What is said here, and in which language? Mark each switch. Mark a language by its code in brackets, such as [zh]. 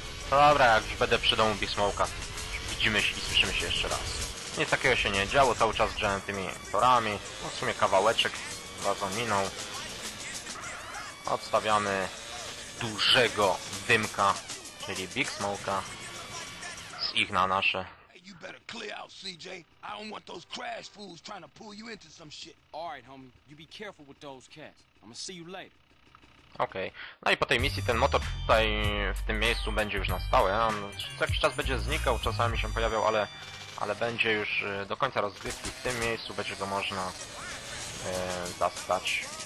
[pl] Dobra, jak już będę przy domu Big Smoke'a, widzimy się i słyszymy się jeszcze raz. Nic takiego się nie działo, cały czas grzałem tymi torami. No w sumie kawałeczek bardzo minął. Odstawiamy dużego dymka, czyli Big Smoke'a. Ich na nasze. [en] Hey, you better clear out, CJ. I don't want those crash fools trying to pull you into some shit. Alright, homie. You be careful with those cats. I'm gonna see you later. Okej. Okay. [pl] No i po tej misji ten motor tutaj w tym miejscu będzie już na stałe. On co jakiś czas będzie znikał, czasami się pojawiał, ale będzie już do końca rozgrywki w tym miejscu będzie go można zastać.